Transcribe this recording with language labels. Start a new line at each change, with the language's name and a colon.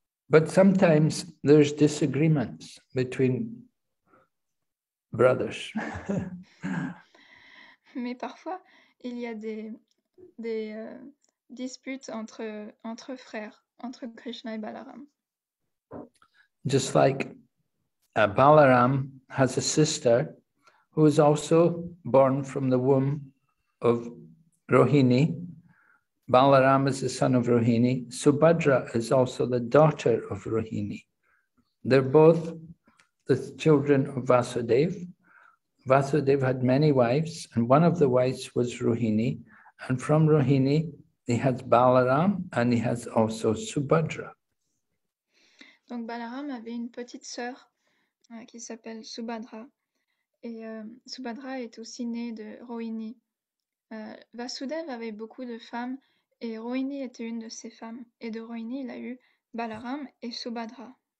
English: But sometimes there's disagreements between brothers.
French: Mais parfois, il y a des disputes entre frères, entre Krishna et Balaram.
English: Just like Balaram has a sister who is also born from the womb of Rohini. Balaram is the son of Rohini. Subhadra is also the daughter of Rohini. They're both the children of Vasudev. Vasudev had many wives, and one of the wives was Rohini. And from Rohini, he has Balaram, and he has also Subhadra.
French: Donc Balaram avait une petite sœur qui s'appelle Subhadra. Et Subhadra est aussi née de Rohini. Vasudev avait beaucoup de femmes et Rohini était une de ses femmes. Et de Rohini, il a eu Balaram et Subhadra.